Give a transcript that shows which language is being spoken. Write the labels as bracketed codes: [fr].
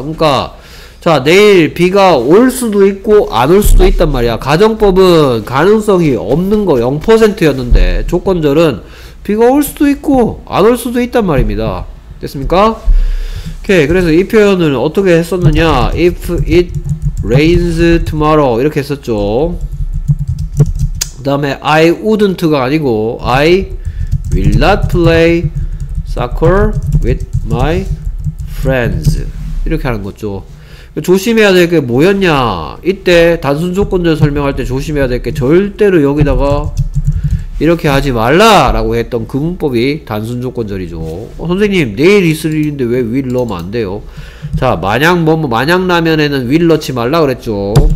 [ko] 그러니까 자, 내일 비가 올 수도 있고 안 올 수도 있단 말이야. 가정법은 가능성이 없는 거 0%였는데 조건절은 비가 올 수도 있고 안 올 수도 있단 말입니다. 됐습니까? 오케이, 그래서 이 표현은 어떻게 했었느냐. [en] If it rains tomorrow [ko] 이렇게 했었죠. 그 다음에 [en] I wouldn't가 아니고 I will not play soccer with my friends [ko] 이렇게 하는 거죠. 조심해야 될 게 뭐였냐. 이때 단순 조건절 설명할 때 조심해야 될 게 절대로 여기다가 이렇게 하지 말라 라고 했던 그 문법이 단순 조건절이죠. 어, 선생님 내일 있을 일인데 왜 will 넣으면 안 돼요? 자, 만약 뭐 만약 라면에는 will 넣지 말라 그랬죠.